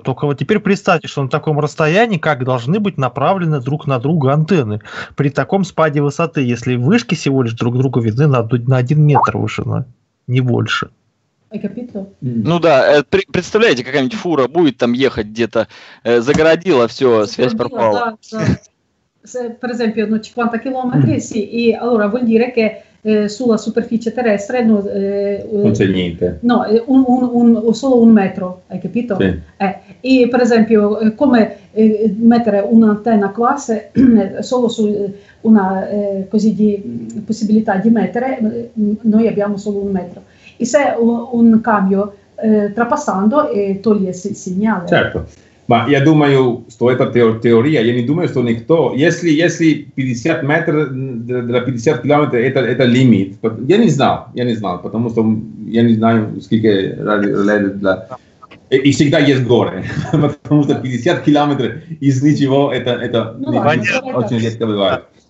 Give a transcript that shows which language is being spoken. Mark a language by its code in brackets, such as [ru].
[ru] Только вот теперь представьте, что на таком расстоянии, как должны быть направлены друг на друга антенны при таком спаде высоты, если вышки всего лишь друг друга видны на 1 метр вышины. Не больше. Ну да, представляете, какая-нибудь фура будет там ехать где-то, загородила, все, связь пропала. [it] Per esempio, 50 km, sì, e allora vuol dire che sulla superficie terrestre non c'è niente. No, solo un metro, hai capito? Sì. E per esempio, come mettere un'antenna qua se solo su una così di possibilità di mettere, noi abbiamo solo un metro. E se un cambio trapassando toglie il segnale. Certo. Ma io [ru] думаю, что это теория, я не думаю, что никто, если 50 метров для 50 километров это лимит, я не знал, потому что я не знаю, сколько ради для... И всегда есть горы, потому что 50 километров из ничего, это очень редко бывает.